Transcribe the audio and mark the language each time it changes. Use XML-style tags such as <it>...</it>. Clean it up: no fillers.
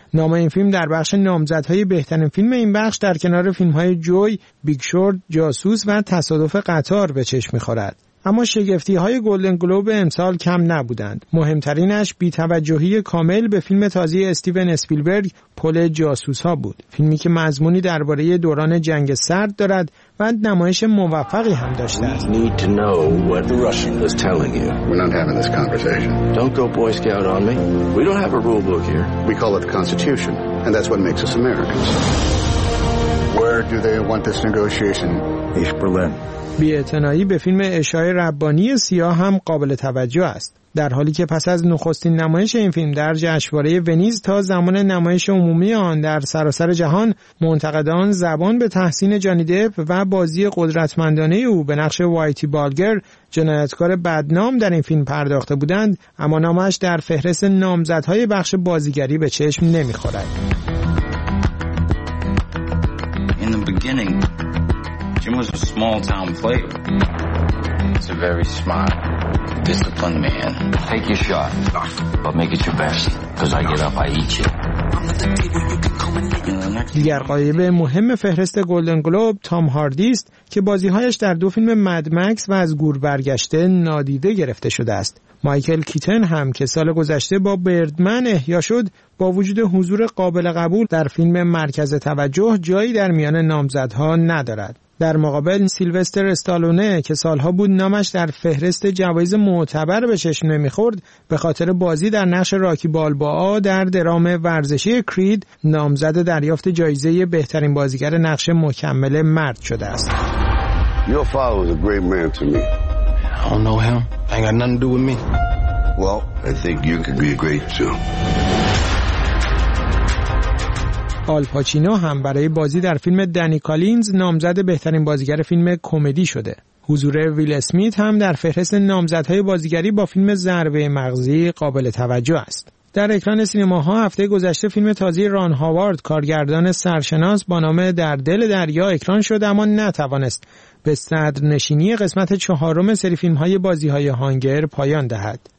<fa>نام این فیلم در بخش نامزدهای بهترین فیلم این بخش در کنار فیلم‌های جوی، بیگ شورت، جاسوس و تصادف قطار به چشم می‌خورد. اما شگفتی‌های گلدن گلوب امسال کم نبودند. مهمترینش بی‌توجهی کامل به فیلم تازه استیون اسپیلبرگ پل جاسوس‌ها بود. فیلمی که مضمونی درباره دوران جنگ سرد دارد و نمایش موفقی هم داشته است.</fa> <en>Need to know what the Russian is telling you. We're not having this conversation. Don't go boy scout on me. We don't have a rule book here. We call it the Constitution and that's what makes us Americans. Where where do they want this negotiation? East Berlin.</en> <fa>بی‌اعتنایی به فیلم اشای ربانی سیاه هم قابل توجه است. در حالی که پس از نخستین نمایش این فیلم در جشنواره ونیز تا زمان نمایش عمومی آن در سراسر جهان، منتقدان زبان به تحسین جانی دپ و بازی قدرتمندانه او به نقش وایتی بالگر، جنایتکار بدنام در این فیلم پرداخته بودند، اما نامش در فهرست نامزدهای بخش بازیگری به چشم نمی‌خورد.</fa> <en>In the beginning, Jim was a small town player. He's a very smart, disciplined man. Take your shot, but make it your best, because I get up, I eat you.</en> <fa>دیگر غایب مهم فهرست گلدن گلوب تام هاردی است که بازیهایش در دو فیلم مد مکس و از گور برگشته نادیده گرفته شده است. مایکل کیتن هم که سال گذشته با بردمن احیا شد، با وجود حضور قابل قبول در فیلم مرکز توجه جایی در میان نامزدها ندارد. در مقابل سیلوستر استالونه که سالها بود نامش در فهرست جوایز معتبر به چشم نمی‌خورد، به خاطر بازی در نقش راکی بالبا در درام ورزشی کرید نامزد دریافت جایزه بهترین بازیگر نقش مکمل مرد شده است.</fa> <en>Your father was a great man to me. I don't know him. I ain't got nothing to do with me. Well, I think you could be great too.</en> <fa>آل پاچینو هم برای بازی در فیلم دنی کالینز نامزد بهترین بازیگر فیلم کمدی شده. حضور ویل اسمیت هم در فهرست نامزدهای بازیگری با فیلم ضربه مغزی قابل توجه است. در اکران سینماها هفته گذشته فیلم تازه ران هاوارد کارگردان سرشناس با نام در دل دریا اکران شد، اما نتوانست به صدر نشینی قسمت چهارم سری فیلم‌های بازی‌های هانگر پایان دهد.</fa>